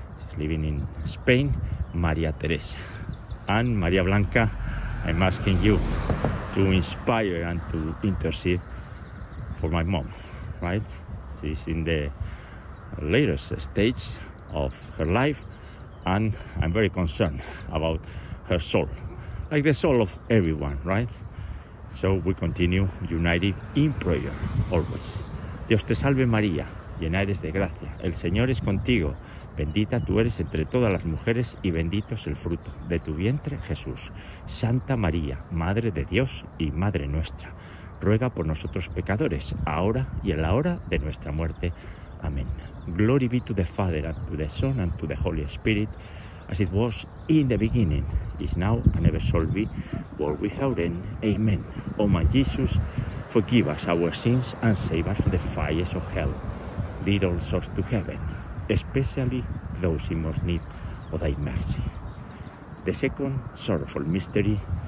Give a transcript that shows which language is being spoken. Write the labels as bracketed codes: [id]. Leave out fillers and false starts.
[en] She's living in Spain, Maria Teresa. And Maria Blanca, I'm asking you to inspire and to intercede for my mom, right? She's in the latest stage of her life, and I'm very concerned about her soul, like the soul of everyone, right? So we continue united in prayer, always. [es] Dios te salve María, llena eres de gracia, el Señor es contigo, bendita tú eres entre todas las mujeres y bendito es el fruto de tu vientre, Jesús. Santa María, Madre de Dios y Madre nuestra, ruega por nosotros pecadores, ahora y en la hora de nuestra muerte. Amén. [en] Glory be to the Father, and to the Son, and to the Holy Spirit, as it was in the beginning, is now, and ever shall be, world without end. Amen. O my Jesus, forgive us our sins and save us from the fires of hell. Lead all souls to heaven, especially those in most need of thy mercy. The second sorrowful mystery